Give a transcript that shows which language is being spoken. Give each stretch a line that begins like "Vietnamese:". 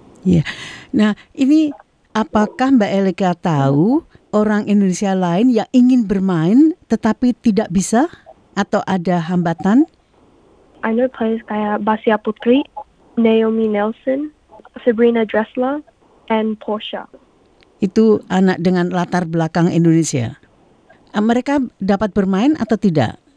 Indonesian: Ya, nah ini apakah Mbak Erika tahu orang Indonesia lain yang ingin bermain tetapi tidak bisa atau ada hambatan?
English: I know players
Indonesian: kayak
English: Basia Putri, Naomi Nelson, Sabrina Dressler, and Portia.
Indonesian: Itu anak dengan latar belakang Indonesia. Mereka dapat bermain atau tidak?